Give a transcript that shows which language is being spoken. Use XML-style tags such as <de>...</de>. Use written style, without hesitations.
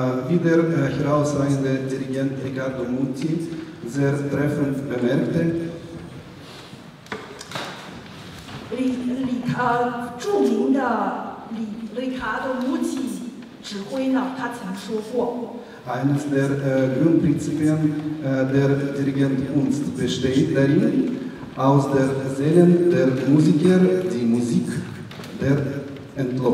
<de>Wie der herausragende Dirigent Riccardo Muti sehr treffend bemerkte,</de> <zh>Riccardo Muti 指挥呢，他曾说过。</zh> <de>Eines der Grundprinzipien der Dirigentkunst besteht darin, aus der Seele der Musiker die Musik der</de>